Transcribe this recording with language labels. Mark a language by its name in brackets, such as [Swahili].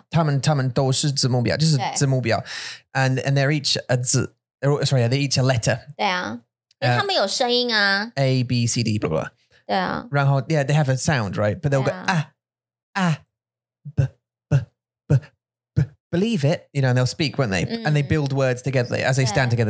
[Chinese] 字幕表，他们都是字幕表，就是字幕表， [English] and they're each a 字, sorry, they're each a letter. [Chinese] 对啊，因为他们有声音啊。 [English] A B C D blah blah. [Chinese] 对啊。然后 [English] yeah, they have a sound, right? But they'll go ah, ah, b b b b believe it, you know, and they'll speak, won't they? And they build words together as they stand together.